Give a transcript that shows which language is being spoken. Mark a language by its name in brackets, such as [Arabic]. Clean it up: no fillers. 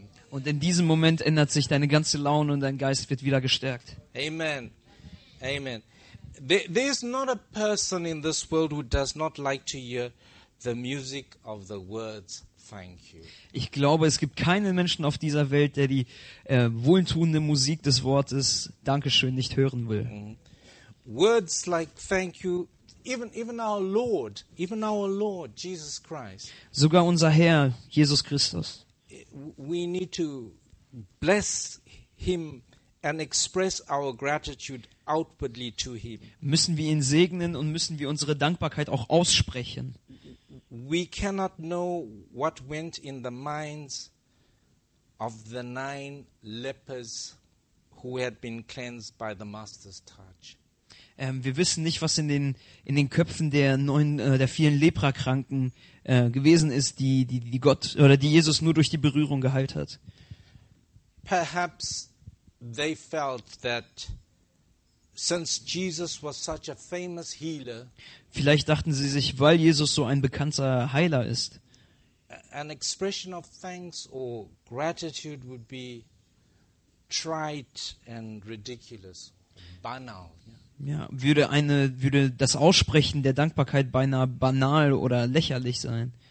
[German] Und in diesem Moment ändert sich deine ganze Laune und dein Geist wird wieder gestärkt. [English] Amen. Amen. There is not a person in this world who does not like to hear the music of the words thank you. [German] Ich glaube, es gibt keinen Menschen auf dieser Welt, der die wohltuende Musik des Wortes Dankeschön nicht hören will. Mm-hmm. [English] Words like thank you, even our Lord Jesus Christ. [German] Sogar unser Herr Jesus Christus. [English] We need to bless him and express our gratitude outwardly to him. [German] Müssen wir ihn segnen und müssen wir unsere Dankbarkeit auch aussprechen. [English] We cannot know what went in the minds of the 9 lepers who had been cleansed by the master's touch. [German] Wir wissen nicht, was in den Köpfen der 9 der vielen Leprakranken gewesen ist, die Gott oder die Jesus nur durch die Berührung geheilt hat. [English] Perhaps they felt that since Jesus was such a famous healer, [German] vielleicht dachten sie sich, weil Jesus so ein bekannter Heiler ist, [English] an expression of thanks or gratitude would be trite and ridiculous, banal. [German] Ja, würde das Aussprechen der Dankbarkeit beinahe banal oder lächerlich sein.